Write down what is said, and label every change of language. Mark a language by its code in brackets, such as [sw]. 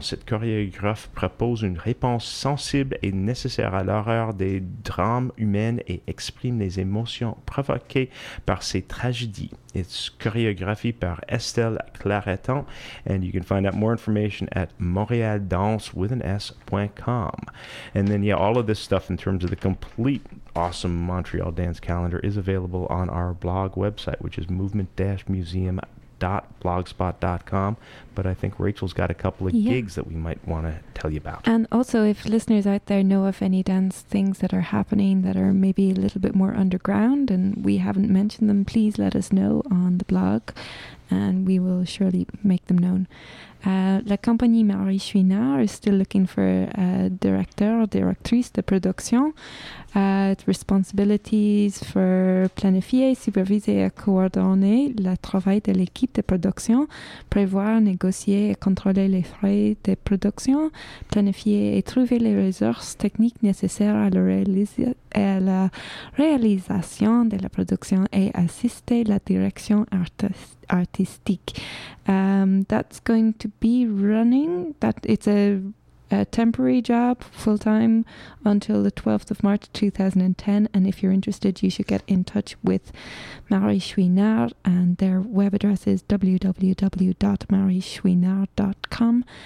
[fr] Cette chorégraphe propose une réponse sensible et nécessaire à l'horreur des drames humains et exprime les émotions provoquées par ces tragédies. [en] It's choreography by Estelle Clareton, and you can find out more information at montrealdancewithans.com. And then, yeah, all of this stuff in terms of the complete awesome Montreal dance calendar is available on our blog website, which is movement-museum.com. www.blogspot.com. But I think Rachel's got a couple of gigs that we might want to tell you about. And also, if listeners out there know of any dance things that are happening that are maybe a little bit more underground and we haven't mentioned them, please let us know on the blog and we will surely make them known. [fr] La Compagnie Marie Chouinard [en] is still looking for a [fr] directeur, directrice de production, [en] responsibilities for [fr] planifier, superviser et coordonner le travail de l'équipe de production, prévoir, négocier et contrôler les frais de production, planifier et trouver les ressources techniques nécessaires à la réalisation de la production et assister la direction artistique. [en] That's going to be running. It's a temporary job, full-time, until the 12th of March 2010. And if you're interested, you should get in touch with Marie Chouinard, and their web address is www.mariechouinard.com.